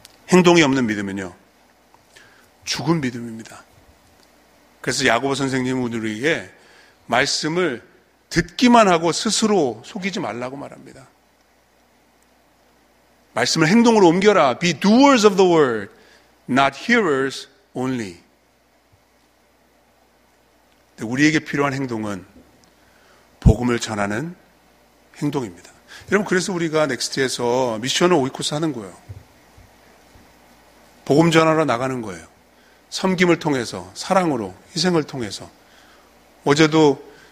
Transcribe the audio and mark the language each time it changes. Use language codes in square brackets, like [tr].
[ko] 행동이 없는 믿음은요, 죽은 믿음입니다. 그래서 야고보 선생님은 우리에게 말씀을 듣기만 하고 스스로 속이지 말라고 말합니다. 말씀을 행동으로 옮겨라. [en] Be doers of the word, not hearers only. [ko] 우리에게 필요한 행동은 복음을 전하는 행동입니다. 여러분, 그래서 우리가 넥스트에서 미션을 오이코스 하는 거예요. 복음 전하러 나가는 거예요. 섬김을 통해서, 사랑으로, 희생을 통해서. 어제도